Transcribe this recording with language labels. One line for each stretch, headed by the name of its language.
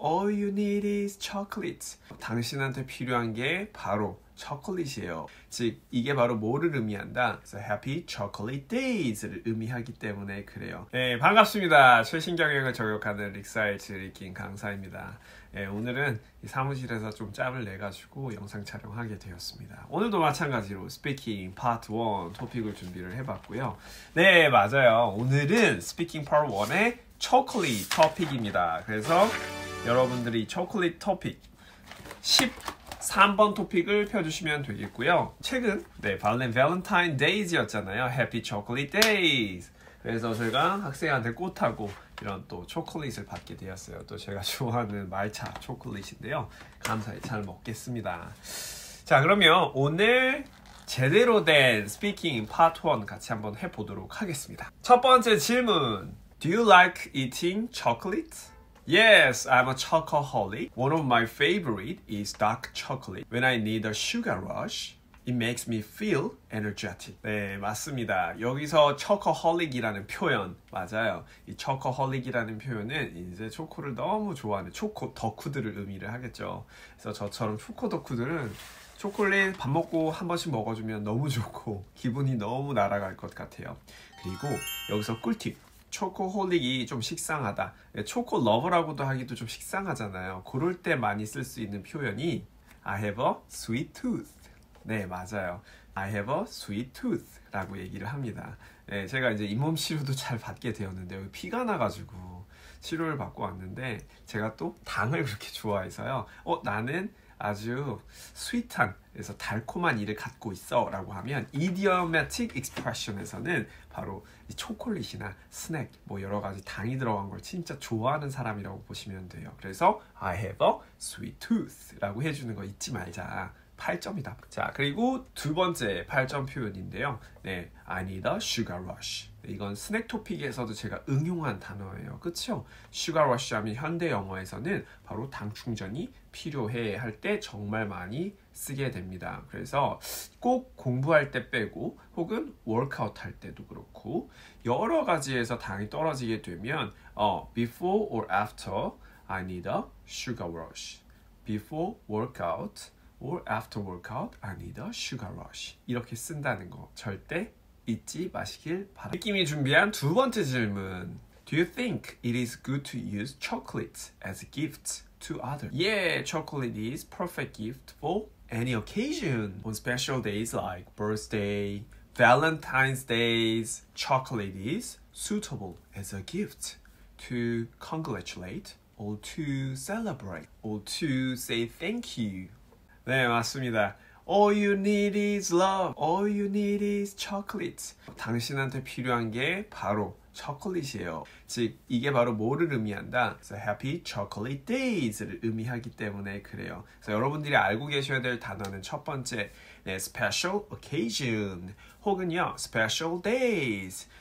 English: All you need is chocolate.
Korean: 당신한테 필요한 게 바로 초콜릿이에요. 즉, 이게 바로 뭐를 의미한다?
English: So happy chocolate days
Korean: 를 의미하기 때문에 그래요. 네, 반갑습니다. 최신 경영을 저격하는 릭사의 지리킹 강사입니다. 네, 오늘은 사무실에서 좀 짬을 내가지고 영상 촬영하게 되었습니다. 오늘도 마찬가지로 스피킹 파트 1 토픽을 준비를 해봤고요. 네, 맞아요. 오늘은 스피킹 파트 1의 초콜릿 토픽입니다. 그래서 여러분들이 초콜릿 토픽 13번 토픽을 펴주시면 되겠고요. 최근, 네, 발렌타인 데이즈였잖아요. 해피 초콜릿 데이즈. 그래서 제가 학생한테 꽃하고 이런 또 초콜릿을 받게 되었어요. 또 제가 좋아하는 말차 초콜릿인데요. 감사히 잘 먹겠습니다. 자, 그러면 오늘 제대로 된 스피킹 파트 1 같이 한번 해보도록 하겠습니다. 첫 번째 질문.
English: Do you like eating chocolate? Yes, I'm a chocoholic. One of my favorite is dark chocolate. When I need a sugar rush, it makes me feel energetic.
Korean: 네, 맞습니다. 여기서 chocoholic이라는 표현, 맞아요. 이 chocoholic이라는 표현은 이제 초코를 너무 좋아하는 초코 덕후들을 의미를 하겠죠. 그래서 저처럼 초코 덕후들은 초콜릿 밥 먹고 한 번씩 먹어주면 너무 좋고 기분이 너무 날아갈 것 같아요. 그리고 여기서 꿀팁. 초코홀릭이 좀 식상하다. 초코 러버라고도 하기도 좀 식상하잖아요. 그럴 때 많이 쓸수 있는 표현이
English: I have a sweet tooth.
Korean: 네, 맞아요.
English: I have a sweet tooth라고
Korean: 얘기를 합니다. 네, 제가 이제 잇몸 치료도 잘 받게 되었는데 여기 피가 나가지고 치료를 받고 왔는데 제가 또 당을 그렇게 좋아해서요. 나는 아주 스윗한, 그래서 달콤한 이를 갖고 있어 라고 하면 idiomatic expression에서는 바로 이 초콜릿이나 스낵, 뭐 여러 가지 당이 들어간 걸 진짜 좋아하는 사람이라고 보시면 돼요. 그래서
English: I have a sweet tooth
Korean: 라고 해주는 거 잊지 말자. 8점이다. 자, 그리고 두 번째 8점 표현인데요.
English: 네, I need a sugar rush.
Korean: 이건 스낵 토픽에서도 제가 응용한 단어예요. 그쵸? Sugar rush 하면 현대 영어에서는 바로 당 충전이 필요해 할때 정말 많이 쓰게 됩니다. 그래서 꼭 공부할 때 빼고 혹은 워크아웃 할 때도 그렇고 여러 가지에서 당이 떨어지게 되면
English: before or after I need a sugar rush. Before workout or after workout, I need a sugar rush.
Korean: 이렇게 쓴다는 거 절대 잊지 마시길 바랍니다. 느낌이 준비한 두 번째 질문.
English: Do you think it is good to use chocolate as a gift to others? Yeah, chocolate is perfect gift for any occasion. On special days like birthday, Valentine's days, chocolate is suitable as a gift to congratulate or to celebrate or to say thank you.
Korean: 네, 맞습니다.
English: All you need is love. All you need is chocolate.
Korean: 당신한테 필요한 게 바로 초콜릿이에요. 즉, 이게 바로 뭐를 의미한다?
English: So happy chocolate days
Korean: 를 의미하기 때문에 그래요. 그래서 여러분들이 알고 계셔야 될 단어는 첫 번째, 네, special occasion 혹은요, special days.